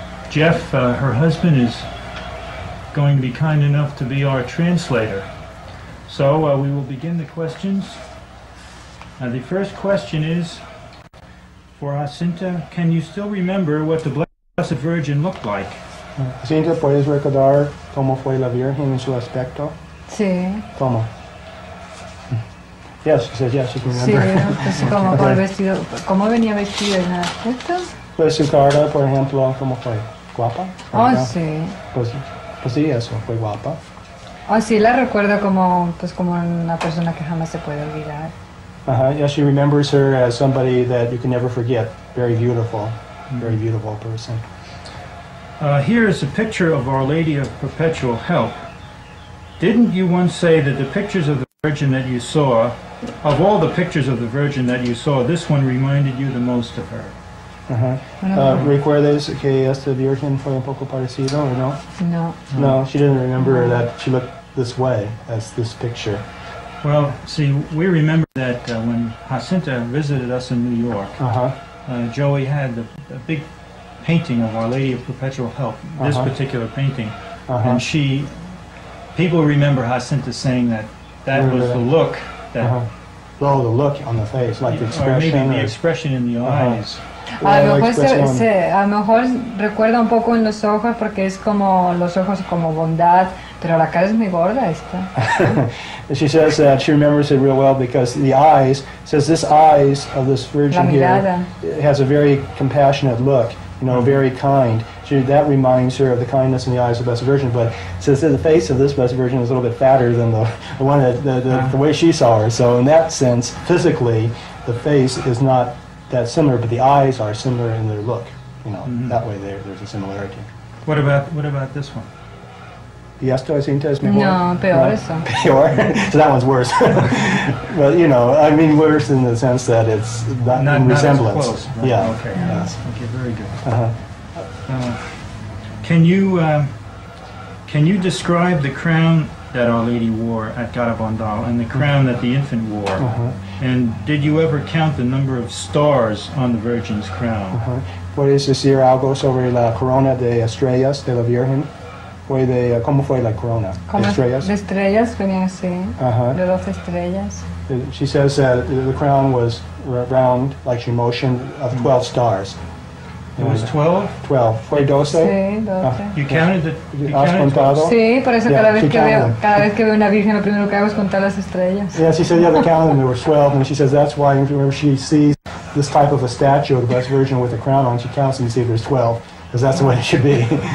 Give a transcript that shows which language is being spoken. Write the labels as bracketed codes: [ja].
[en] Jeff, her husband, is going to be kind enough to be our translator. So we will begin the questions. Now, the first question is, for us. Jacinta, can you still remember what the Blessed Virgin looked like? [es] Jacinta, ¿puedes recordar cómo fue la Virgen en su aspecto? Sí. ¿Cómo? Yes, she says yes, she can remember. Sí, pues, ¿cómo, okay. Con el vestido, ¿cómo venía vestida en aspecto? Pues su cara, por ejemplo, ¿cómo fue? ¿Guapa? Oh, ¿no? Sí. Pues sí, eso, fue guapa. Oh, sí, la recuerdo como, pues, como una persona que jamás se puede olvidar. Uh-huh. [en] Yeah, she remembers her as somebody that you can never forget. Very beautiful, very beautiful person. Here is a picture of Our Lady of Perpetual Help. Didn't you once say that the pictures of the Virgin that you saw, of all the pictures of the Virgin that you saw, this one reminded you the most of her? [es] ¿Recuerdas que esta Virgen fue un poco parecida o no? No. [en] No, she didn't remember that she looked this way as this picture. Well, see, we remember that when Jacinta visited us in New York, Joey had a big painting of Our Lady of Perpetual Help, this particular painting, and people remember Jacinta saying that was the look that... Well, the look on the face, like the expression. Or maybe the expression in the eyes. [es] A lo mejor recuerda un poco en los ojos, porque es como los ojos como bondad, pero la cara es muy gorda esta. [en] She says that she remembers it real well because the eyes, says this eyes of this Virgin here, has a very compassionate look, you know, very kind. That reminds her of the kindness in the eyes of the Blessed Virgin, but says that the face of this Blessed Virgin is a little bit fatter than the one that the way she saw her. So in that sense, physically, the face is not that similar, but the eyes are similar in their look, you know, that way there's a similarity. What about this one? [es] ¿Y esto es mejor? No, peor eso. Peor? [en] So that one's worse. But, you know, I mean worse in the sense that it's not in resemblance. Not as close, right? Yeah. Okay, yeah. Okay, very good. Can you describe the crown that Our Lady wore at Garabandal and the crown that the infant wore? And did you ever count the number of stars on the Virgin's crown? [es] ¿Puedes decir algo sobre la corona de estrellas de la Virgen? ¿Cómo fue la corona? ¿De estrellas? De estrellas, venía así. De 12 estrellas. [en] She says that the crown was round, like she motioned, of 12 stars. It was 12? [es] 12. ¿Fue 12? Sí, 12. [en] You counted [es] ¿Has contado? [en] 12? [es] Sí, por eso cada vez que veo una Virgen, lo primero que hago es contar las estrellas. [en] Yeah, she said the other count, and there were 12, and she says that's why, remember, she sees this type of a statue of the Blessed Virgin with a crown on, she counts and you see if there's 12, because that's the way it should be.